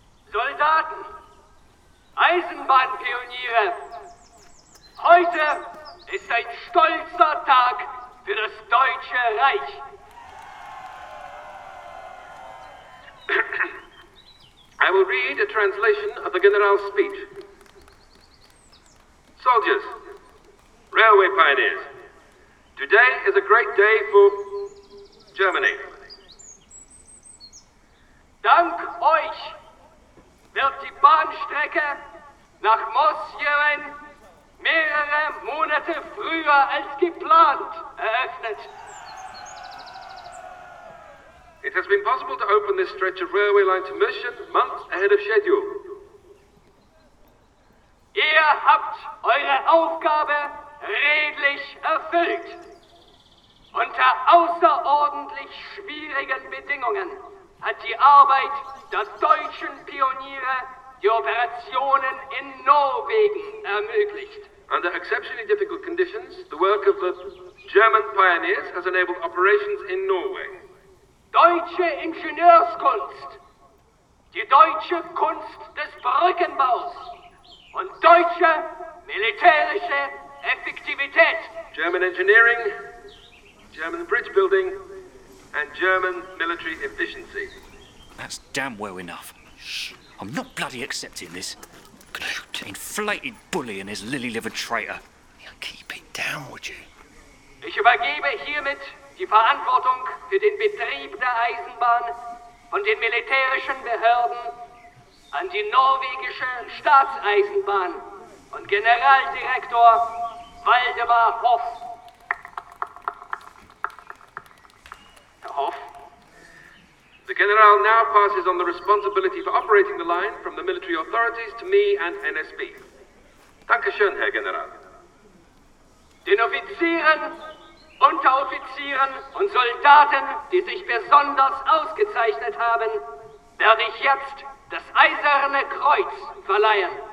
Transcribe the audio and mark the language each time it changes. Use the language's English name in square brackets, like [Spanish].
[German] Soldaten, Eisenbahnpioniere, heute ist ein stolzer Tag für das Deutsche Reich. [English] I will read a translation of the General's speech. Soldiers, railway pioneers, today is a great day for Germany. [German] Dank euch wird die Bahnstrecke nach Mosjøen mehrere Monate früher als geplant eröffnet. [English] It has been possible to open this stretch of railway line to Mosjøen months ahead of schedule. [German] Ihr habt eure Aufgabe redlich erfüllt. Unter außerordentlich schwierigen Bedingungen hat die Arbeit der deutschen Pioniere die Operationen in Norwegen ermöglicht. [English] Under exceptionally difficult conditions, the work of the German pioneers has enabled operations in Norway. [German] Deutsche Ingenieurskunst, die deutsche Kunst des Brückenbaus und deutsche militärische Effektivität. [English] German engineering, German bridge building and German military efficiency. That's damn well enough. Shh, I'm not bloody accepting this. Glute, inflated bully and his lily-livered traitor. You'll keep it down, would you? [German] Ich übergebe hiermit die Verantwortung für den Betrieb der Eisenbahn von den militärischen Behörden an die norwegische Staatseisenbahn und Generaldirektor Waldemar Hoff. Herr Hoff? [English] The General now passes on the responsibility for operating the line from the military authorities to me and NSB. [German] Dankeschön, Herr General. Den Offizieren, Unteroffizieren und Soldaten, die sich besonders ausgezeichnet haben, werde ich jetzt das Eiserne Kreuz verleihen.